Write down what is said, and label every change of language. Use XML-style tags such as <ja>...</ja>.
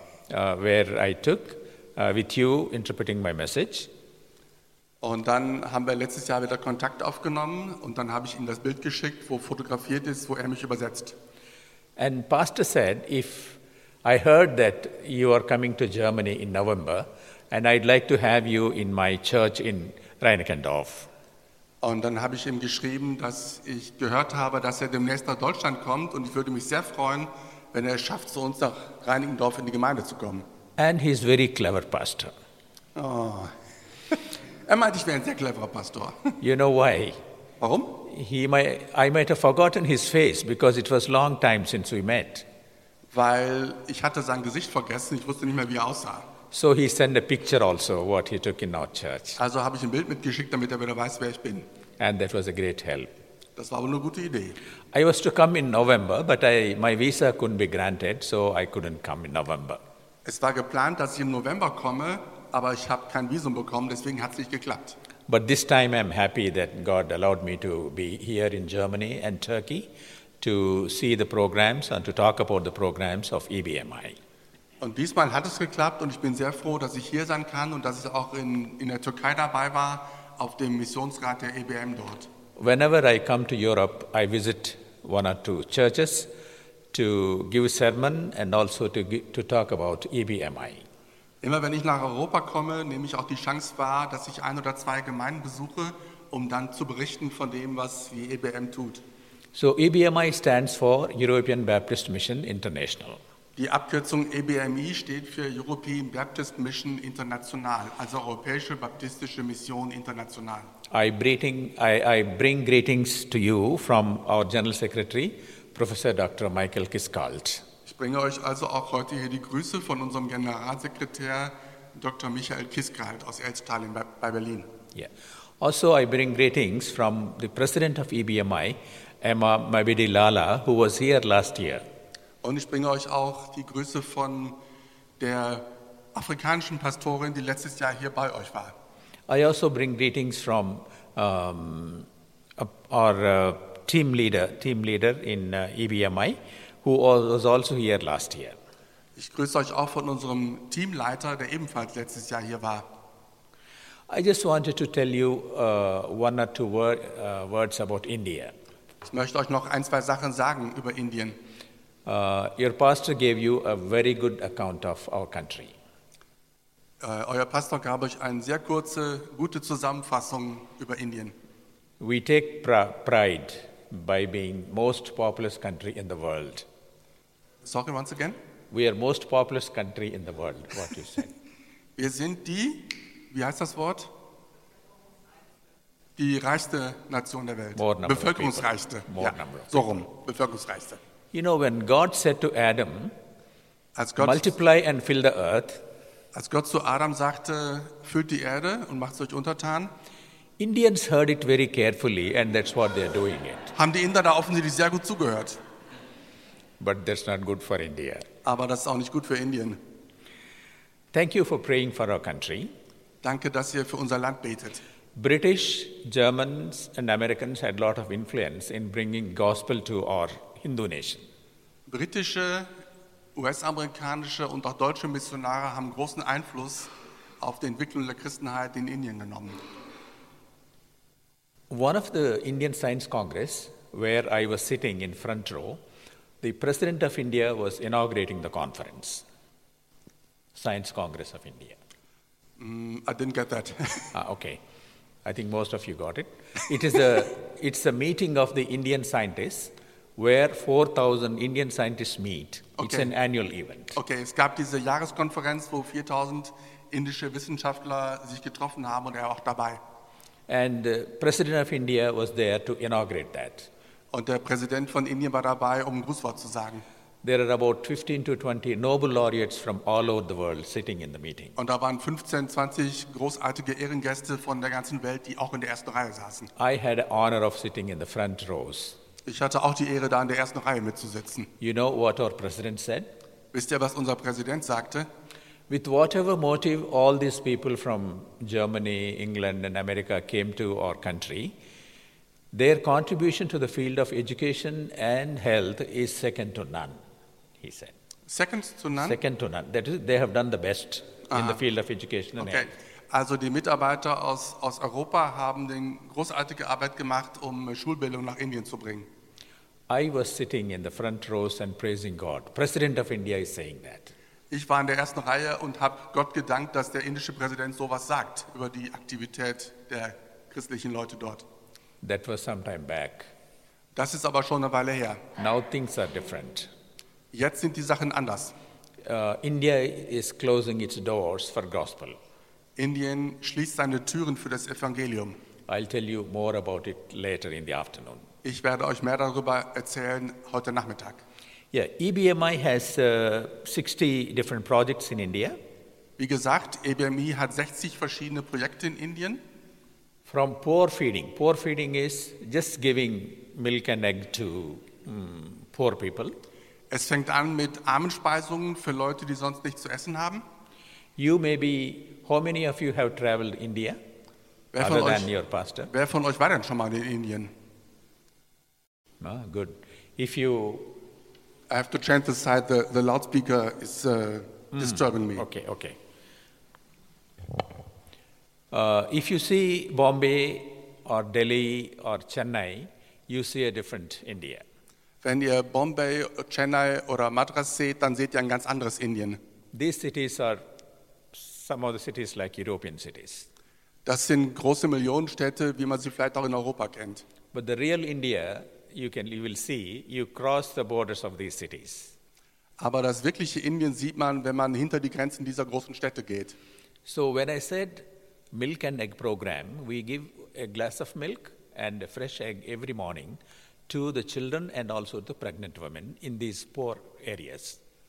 <en>Where I took with you interpreting my message.</en> <de>Und dann haben wir letztes Jahr wieder Kontakt aufgenommen und dann habe ich ihm das Bild geschickt, wo fotografiert ist, wo er mich übersetzt.</de> <en>And Pastor said, if I heard that you are coming to Germany in November and I'd like to have you in my church in Reinickendorf.</en> <de>Und dann habe ich ihm geschrieben, dass ich gehört habe, dass er demnächst nach Deutschland kommt und ich würde mich sehr freuen, wenn er es schafft, zu uns nach Reinickendorf in die Gemeinde zu kommen.</de> <en>And he's a very clever pastor.</en> <de>Oh. Er meinte, ich wäre ein sehr cleverer Pastor.</de> <en>You know why?</en> <de>Warum?</de> <en>I might have forgotten his face because it was long time since we met.</en> <de>Weil ich hatte sein Gesicht vergessen, ich wusste nicht mehr, wie er aussah.</de> <en>So he sent a picture also what he took in our church.</en> <de>Also habe ich ein Bild mitgeschickt, damit er wieder weiß, wer ich bin.</de> <en>And that was a great help.</en> <de>Das war aber eine gute Idee.</de> <en>I was to come in November, but my visa couldn't be granted, so I couldn't come in November.</en> <de>Es war geplant, dass ich im November komme, aber ich habe kein Visum bekommen, deswegen hat es nicht geklappt.</de> <en>But this time I'm happy that God allowed me to be here in Germany and Turkey to see the programs and to talk about the programs of EBMI.</en> <de>Und diesmal hat es geklappt und ich bin sehr froh, dass ich hier sein kann und dass ich auch in der Türkei dabei war auf dem Missionsrat der EBM dort.</de> <en>Whenever I come to Europe, I visit one or two churches to give a sermon and also to talk about EBMI.</en> <de>Immer wenn ich nach Europa komme, nehme ich auch die Chance wahr, dass ich ein oder zwei Gemeinden besuche, um dann zu berichten von dem, was die EBM tut.</de> <en>So EBMI stands for European Baptist Mission International.</en> <de>Die Abkürzung EBMI steht für European Baptist Mission International, also Europäische Baptistische Mission International.</de> <en>I bring greetings to you from our General Secretary, Professor Dr. Michael Kiskalt.</en> <de>Ich bringe euch also auch heute hier die Grüße von unserem Generalsekretär Dr. Michael Kiskalt aus Elztal bei Berlin.</de> <en>Yeah. Also I bring greetings from the President of EBMI, Emma Mabidi Lala, who was here last year.</en> <de>Und ich bringe euch auch die Grüße von der afrikanischen Pastorin, die letztes Jahr hier bei euch war.</de> <en>I also bring greetings from our team leader in EBMI, who was also here last year.</en> <de>Ich grüße euch auch von unserem Teamleiter, der ebenfalls letztes Jahr hier war.</de> <en>I just wanted to tell you one or two words about India.</en> <de>Ich möchte euch noch ein, zwei Sachen sagen über Indien.</de> <en>Your pastor gave you a very good account of our country.</en> <de>Euer Pastor gab euch eine sehr kurze, gute Zusammenfassung über Indien.</de> <en>We take pride by being most populous country in the world. Sorry, once again? We are most populous country in the world, what you said.</en> <de>Wir sind die, wie heißt das Wort? Die reichste Nation der Welt.</de> <en>More number</en> <de>Bevölkerungsreichste.</de> <en>Of people. More number of people.</en> <de>So rum, Bevölkerungsreichste.</de> <en>You know, when God said to Adam, multiply and fill the earth,</en> <de>als Gott zu Adam sagte, füllt die Erde und macht euch untertan,</de> <en>Indians heard it very carefully and that's what they're doing it.</en> <de>Haben die Inder da offensichtlich sehr gut zugehört.</de> <en>But that's not good for India.</en> <de>Aber das ist auch nicht gut für Indien.</de> <en>Thank you for praying for our country.</en> <de>Danke, dass ihr für unser Land betet.</de> <en>British, Germans and Americans had a lot of influence in bringing gospel to our Hindu nation.</en> <de>Britische, US-amerikanische und auch deutsche Missionare haben großen Einfluss auf die Entwicklung der Christenheit in Indien genommen.</de> <en>One of the Indian Science Congress, where I was sitting in front row, the President of India was inaugurating the conference. Science Congress of India. I didn't get that. Okay. I think most of you got it. It's a meeting of the Indian scientists where 4,000 Indian scientists meet. Okay. It's an annual event.</en> <de>Okay, es gab diese Jahreskonferenz, wo 4,000 indische Wissenschaftler sich getroffen haben und er auch dabei.</de> <en>And the President of India was there to inaugurate that.</en> <de>Und der Präsident von Indien war dabei, um ein Grußwort zu sagen.</de> <en>There are about 15 to 20 Nobel laureates from all over the world sitting in the meeting.</en> <de>Und da waren 15, 20 großartige Ehrengäste von der ganzen Welt, die auch in der ersten Reihe saßen.</de> <en>I had the honor of sitting in the front rows.</en> <de>Ich hatte auch die Ehre, da in der ersten Reihe mitzusitzen.</de> <en>You know what our president said?</en> <de>Wisst ihr, was unser Präsident sagte?</de> <en>With whatever motive all these people from Germany, England and America came to our country, their contribution to the field of education and health is second to none, he said. Second to none? Second to none. That is, they have done the best in the field of education and health.</en> <de>Also die Mitarbeiter aus Europa haben den großartige Arbeit gemacht, um Schulbildung nach Indien zu bringen.</de> <en>I was sitting in the front rows and praising God. President of India is saying that.</en> <de>Ich war in der ersten Reihe und habe Gott gedankt, dass der indische Präsident sowas sagt über die Aktivität der christlichen Leute dort.</de> <en>That was some time back.</en> <de>Das ist aber schon eine Weile her.</de> <en>Now things are different.</en> <de>Jetzt sind die Sachen anders.</de> <en>India is closing its doors for gospel.</en> <de>Indien schließt seine Türen für das Evangelium.</de> <en>I'll tell you more about it later in the afternoon.</en> <de>Ich werde euch mehr darüber erzählen heute Nachmittag.</de> <en>Yeah, EBMI has 60 different projects in India.</en> <de>Wie gesagt, EBMI hat 60 verschiedene Projekte in Indien.</de> <en>From poor feeding. Poor feeding is just giving milk and egg to poor people.</en> <de>Es fängt an mit Armenspeisungen für Leute, die sonst nichts zu essen haben.</de> <en>You maybe, how many of you have traveled India?</en> <de>Wer von</de> <en>other than</en> <de>euch,</de> <en>your pastor?</en> <de>Wer von euch war denn schon mal in Indien?</de> <en>Ah, good. If you... I have to change the side, the loudspeaker is disturbing me. Okay. If you see Bombay or Delhi or Chennai, you see a different India.</en> <de>Wenn ihr Bombay, Chennai oder Madras seht, dann seht ihr ein ganz anderes Indien.</de> <en>These cities are some of the cities like European cities.</en> <de>Das sind große Millionenstädte, wie man sie vielleicht auch in Europa kennt.</de> <en>But the real India, you will see, you cross the borders of these cities.</en> <de>Aber das wirkliche Indien sieht man, wenn man hinter die Grenzen dieser großen Städte geht.</de> <en>So when I said milk and egg program, we give a glass of milk and a fresh egg every morning to the children and also the pregnant women in these poor areas.</en>